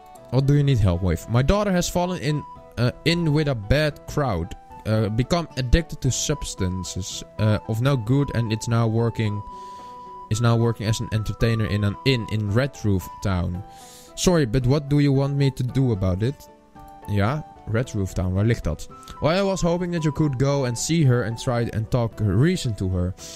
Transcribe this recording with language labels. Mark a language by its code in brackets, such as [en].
[en] What do you need help with? My daughter has fallen in with a bad crowd. Become addicted to substances of no good and is now working as an entertainer in an inn in Red Roof Town. Sorry, but what do you want me to do about it? [nl] Ja, Red Roof Town, waar ligt dat? [en] Well, I was hoping that you could go and see her and try and talk reason to her.